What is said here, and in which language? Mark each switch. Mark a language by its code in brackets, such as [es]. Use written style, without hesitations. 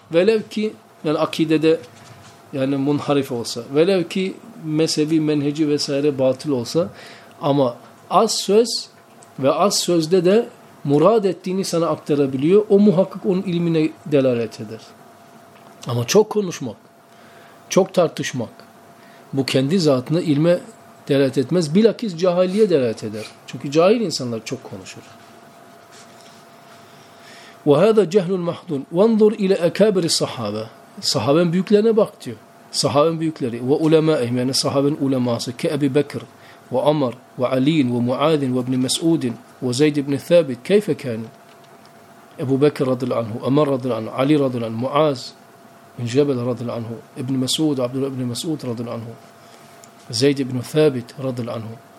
[tr] Velev ki yani akidede yani munharif olsa, velev ki mezhebi, menheci vesaire batıl olsa ama az söz ve az sözde de murad ettiğini sana aktarabiliyor. O muhakkak onun ilmine delalet eder. Ama çok konuşmak, çok tartışmak bu kendi zatına ilme delalet etmez. Bilakis cahiliye delalet eder. Çünkü cahil insanlar çok konuşur. [ar] وَهَذَا جَهْلُ الْمَحْضُونَ وَانْظُرْ اِلَى اَكَابِرِ الصَّحَابَةِ [tr] Sahaben büyüklerine bak diyor. Sahaben büyükleri. [ar] وَاُلَمَائِهِمْ [tr] yani sahaben uleması. [ar] كَأَبِ بَكْرِ وَأَمَرْ وَعَل۪ينَ وَمُعَاذٍ وَابْنِ مَسْعُودٍ وَزَيْدِ بْنِ ثَابِتِ كَيْفَ كَانِ [tr] Ebu Bekir radıl anhu, Ömer radıl anhu, Ali radıl anhu, Muaz bin Cebel radıl anhu, İbn Mesud, Abdullah ibn Mesud radıl anhu, Zeyd ibn Thabit radıl anhu.